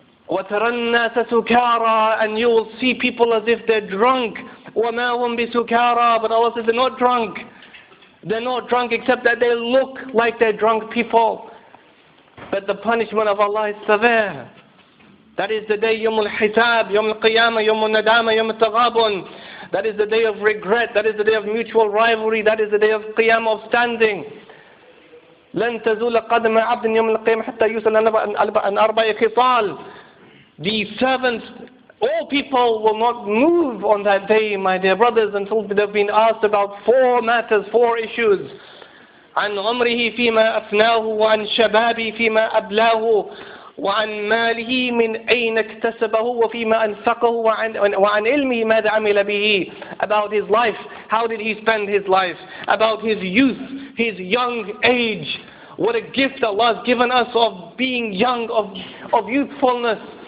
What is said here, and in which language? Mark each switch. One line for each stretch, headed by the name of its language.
Arabic: وَتَرَى النَّاسَ سُكَارَى
English: And you will see people as if they're drunk.
Arabic: وَمَا هُمْ بِسُكَارَى
English: But Allah says they're not drunk. They're not drunk except that they look like they're drunk people. But the punishment of Allah is severe. That is the day
Arabic: يوم الحساب, يوم القيامة, يوم الندامة, يوم التغابن.
English: That is the day of regret. That is the day of mutual rivalry. That is the day of قيامة, of standing.
Arabic: لَن تَزُولَ قَدْمَ عَبْدٍ يَوْمَ الْقِيَامَ حَتَّى يُسَلَ أَرْبَعِ خِصَالٍ
English: The servants, all people will not move on that day, my dear brothers, until they've been asked about four matters, four issues.
Arabic: عَنْ عُمْرِهِ فِي مَا أَفْنَاهُ وَعَنْ شَبَابِهِ فِي مَا أَبْلَاهُ وَعَنْ مَالِهِ مِنْ أَيْنَ اكْتَسَبَهُ وَفِي مَا أَنْفَقَهُ وَعَنْ عِلْمِهِ مَاذَ عَمِلَ بِهِ
English: About his life, how did he spend his life? About his youth, his young age. What a gift Allah has given us of being young, of youthfulness.